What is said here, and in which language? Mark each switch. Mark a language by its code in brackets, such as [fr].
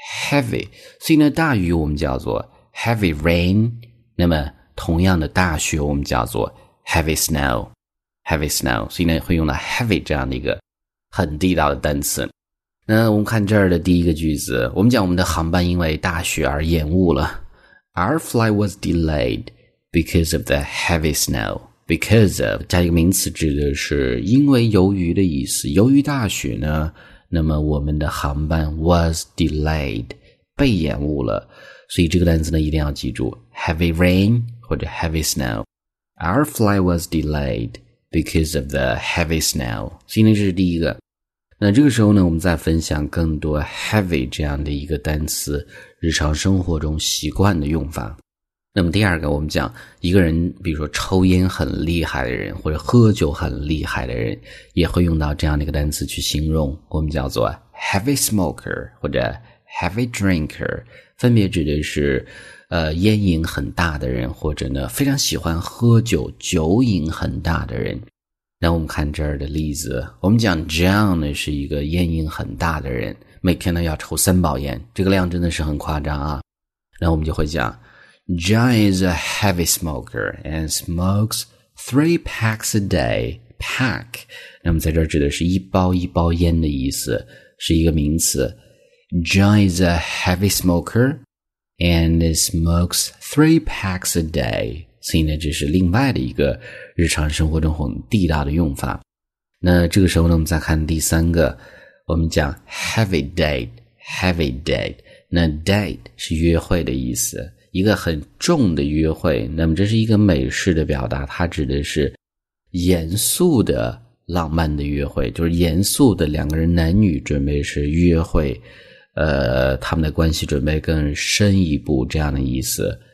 [zh] Heavy， 所以呢，大雨我们叫做 heavy rain， 那么同样的大雪我们叫做 heavy snow， 所以呢，会用到 heavy 这样的一个很地道的单词。那我们看这儿的第一个句子，我们讲我们的航班因为大雪而延误了。 [en] Our flight was delayed because of the heavy snow. [zh] Because of 加一个名词，指的是因为由于的意思。由于大雪呢。那么我们的航班 [en] was delayed， [zh] 被延误了。所以这个单词呢一定要记住 heavy rain 或者 heavy snow。 [en] Our flight was delayed because of the heavy snow。 [zh] 所以这是第一个。那这个时候呢，我们再分享更多 heavy 这样的一个单词日常生活中习惯的用法。那么第二个，我们讲一个人比如说抽烟很厉害的人，或者喝酒很厉害的人，也会用到这样的一个单词去形容，我们叫做 heavy smoker 或者 heavy drinker， 分别指的是烟瘾很大的人，或者呢非常喜欢喝酒酒瘾很大的人。那我们看这儿的例子，我们讲 John 呢是一个烟瘾很大的人，每天呢要抽三包烟，这个量真的是很夸张啊。那我们就会讲 [en] John is a heavy smoker and smokes 3 packs a day. [zh] Pack， 那么在这儿指的是一包一包烟的意思，是一个名词。 [en] John is a heavy smoker and smokes 3 packs a day. [zh] 所以呢，这是另外的一个日常生活中很地道的用法。那这个时候呢，我们再看第三个，我们讲 heavy date， 那 date 是约会的意思。一个很重的约会，那么这是一个美式的表达，它指的是严肃的浪漫的约会，就是严肃的两个人男女准备是约会，他们的关系准备更深一步这样的意思。